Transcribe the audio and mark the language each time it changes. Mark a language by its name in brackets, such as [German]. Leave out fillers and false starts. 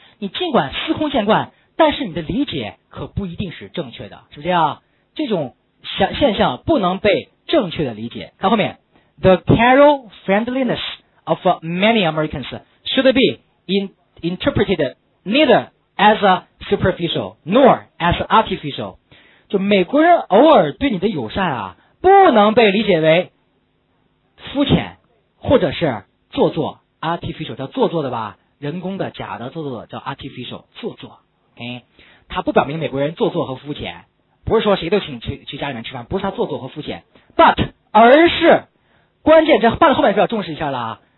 [Chinese] 你尽管司空见惯，但是你的理解可不一定是正确的，是不是这样？这种现象不能被正确的理解。看后面 [English] ，The casual friendliness of many Americans should be interpreted neither as a superficial nor as artificial. [Chinese] 就美国人偶尔对你的友善啊，不能被理解为肤浅或者是做作。 artificial 叫做作的吧，人工的、假的、做作的叫 artificial 做作。 OK， 他不表明美国人做作和肤浅，不是说谁都请去家里面吃饭，不是他做作和肤浅 ，but 而是关键这 but 后面是要重视一下了啊。